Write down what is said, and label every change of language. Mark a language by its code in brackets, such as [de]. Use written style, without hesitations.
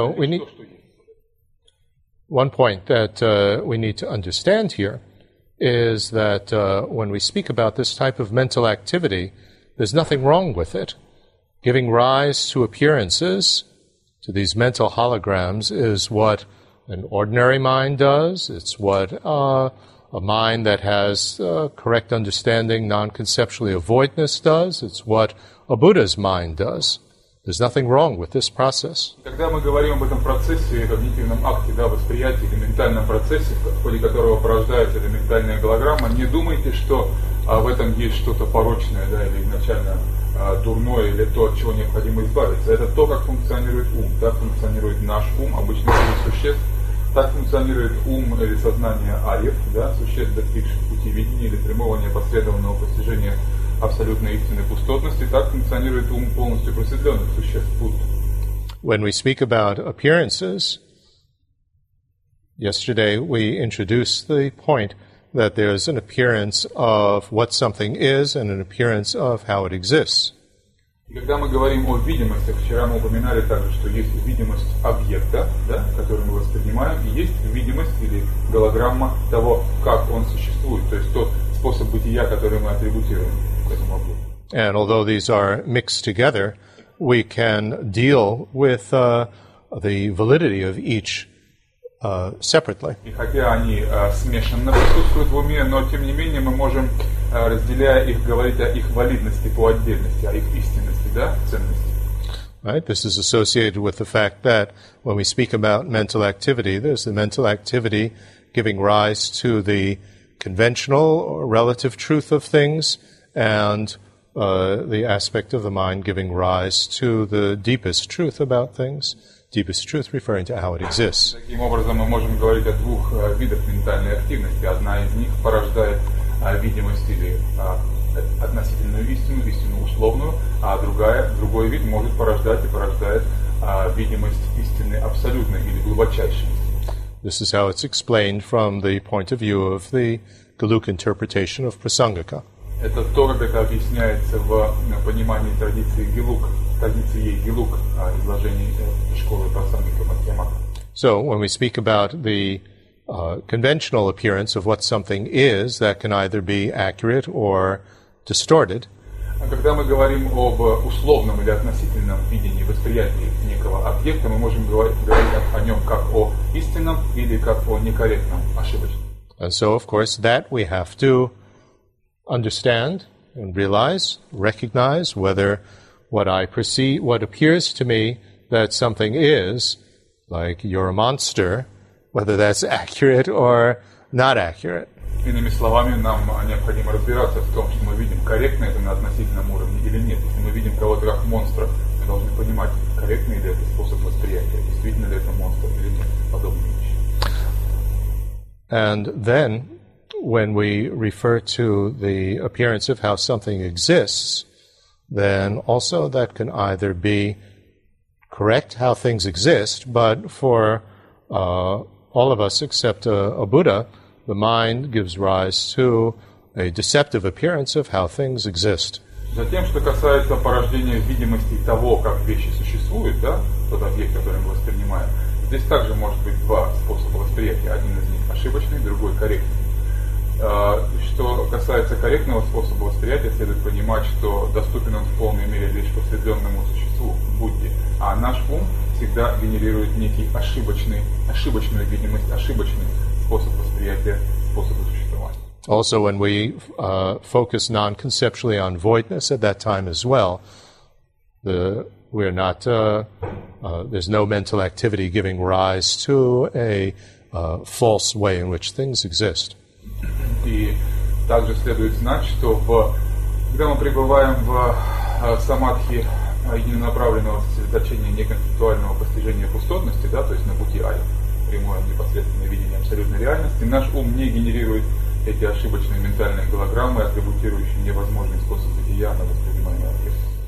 [en] So we need one point that we need to understand here is that when we speak about this type of mental activity, there's nothing wrong with it. Giving rise to appearances to these mental holograms is what an ordinary mind does. It's what a mind that has correct understanding, non-conceptually of voidness does. It's what a Buddha's mind does. There's nothing wrong with this process. [ru] Когда мы говорим об этом процессе, когнитивном акте, да, восприятии или ментальном процессе, в ходе которого порождается эта ментальная голограмма, не думайте, что в этом есть что-то порочное, да, или изначально дурное, или то, от чего необходимо избавиться. Это то, как функционирует ум. Так функционирует наш ум, обычных живых существ. Так функционирует ум или сознание арьев, да, существ, достигших пути видения или прямого непосредственного постижения абсолютной истинной пустотности. Так функционирует ум полностью просветленных существ, пут. [en] When we speak about appearances, yesterday we introduced the point that there is an appearance of what something is and an appearance of how it exists. [ru] Когда мы говорим о видимости, вчера мы упоминали также, что есть видимость объекта, да, который мы воспринимаем, и есть видимость или голограмма того, как он существует, то есть тот способ бытия, который мы атрибутируем к этому объекту. [en] And although these are mixed together, we can deal with the validity of each separately. [ru] И хотя они смешанно присутствуют в уме, но тем не менее мы можем, разделяя их, говорить о их валидности по отдельности, о их истинности, да, ценности. [en] Right. This is associated with the fact that when we speak about mental activity, there's the mental activity giving rise to the conventional or relative truth of things, and the aspect of the mind giving rise to the deepest truth about things, deepest truth referring to how it exists. [ru] Таким образом, мы можем говорить о двух видах ментальной активности. Одна из них порождает видимость или относительную истину, истину условную, а другой вид может порождать и порождает видимость истины абсолютной или глубочайшей. [en] This is how it's explained from the point of view of the gelug interpretation of prasangika. [ru] Это то, как это объясняется в понимании традиции гелуг, традиции ей гелуг, изложений школы прасангика Матхьямака. [en] So when we speak about the conventional appearance of what something is that can either be accurate or distorted. [ru] Когда мы говорим об условном или относительном видении, восприятии некого объекта, мы можем говорить о нем как о истинном или как о некорректном, ошибочном. [en] And so, of course, that we have to understand and realize, recognize whether what I perceive, what appears to me that something is, like you're a monster, whether that's accurate or not accurate. [ru] Иными словами, нам необходимо разбираться в том, что мы видим, корректно это на относительном уровне или нет. Если мы видим кого-то как монстра, мы должны понимать, корректный ли это способ восприятия, действительно ли это монстр или нет, подобные вещи. [en] And then, when we refer to the appearance of how something exists, then also that can either be correct how things exist, but for all of us except a Buddha, the mind gives rise to a deceptive appearance of how things exist. [ru] Затем, что касается порождения видимости того, как вещи существуют, да, тот объект, который мы воспринимаем, здесь также может быть два способа восприятия. Один из них ошибочный, другой корректный. Что касается корректного способа восприятия, следует понимать, что доступен он в полной мере лишь посвященному существу, Будде, а наш ум всегда генерирует некий ошибочную видимость, ошибочный способ восприятия, способ существования. [en] Also, when we focus non-conceptually on voidness at that time as well, there's no mental activity giving rise to a false way in which things exist. [ru] И также следует знать, что когда мы пребываем в самадхи единонаправленного сосредоточения неконцептуального постижения пустотности, да, то есть на пути Ай, прямое непосредственное видение абсолютной реальности, наш ум не генерирует эти ошибочные ментальные голограммы, атрибутирующие невозможный способ бытия на воспринимание объекта.